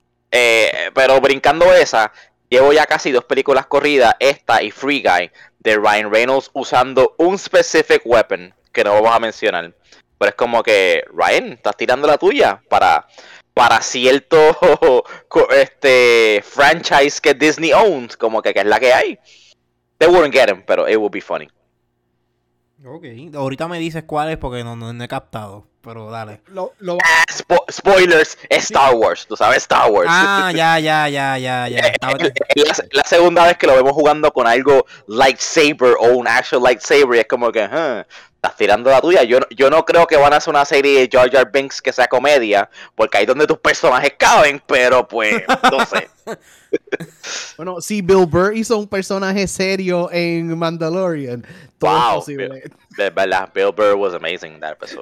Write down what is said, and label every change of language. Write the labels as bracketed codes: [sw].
[es] Pero brincando esa, llevo ya casi dos películas corridas, esta y Free Guy, de Ryan Reynolds usando un [en] specific weapon [es] que no vamos a mencionar. Pero es como que, Ryan, estás tirando la tuya para cierto franchise que Disney owns, como que es la que hay. [en] They wouldn't get him, pero it would be funny. [es] Ok, ahorita me dices cuál es porque no he captado, pero dale. Spoilers, Star Wars, tú sabes, Star Wars. Ya. La segunda vez que lo vemos jugando con algo lightsaber o un actual lightsaber, y es como que, estás tirando la tuya. Yo no creo que van a hacer una serie de Jar Jar Binks que sea comedia, porque ahí es donde tus personajes caben, pero pues, no sé. Bueno, si Bill Burr hizo un personaje serio en Mandalorian, todo es posible. De verdad, [en] Bill Burr was amazing in that episode.